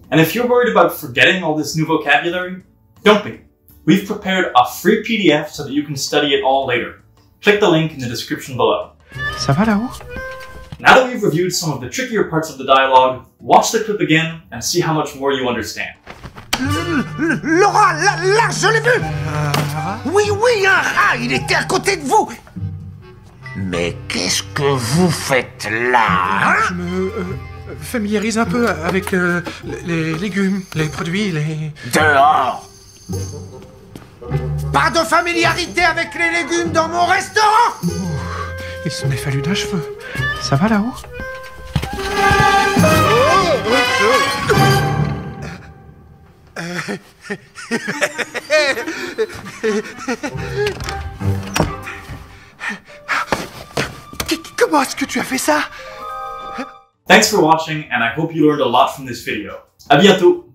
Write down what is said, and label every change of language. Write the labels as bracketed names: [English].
[English] And if you're worried about forgetting all this new vocabulary, don't be. We've prepared a free PDF so that you can study it all later. Click the link in the description below. [French] Ça va là-haut? [English] Now that we've reviewed some of the trickier parts of the dialogue, watch the clip again and see how much more you understand. [French] Laura, là, je l'ai vu! Oui, oui, un rat, il était à côté de vous! Mais qu'est-ce que vous faites là? Je me familiarise un peu avec les légumes, les produits, les... Dehors! Pas de familiarité avec les légumes dans mon restaurant! Ouh, il se m'est fallu d'un cheveu. Ça va là-haut? Comment est-ce que tu as fait ça? [English] Thanks for watching, and I hope you learned a lot from this video. [French] À bientôt!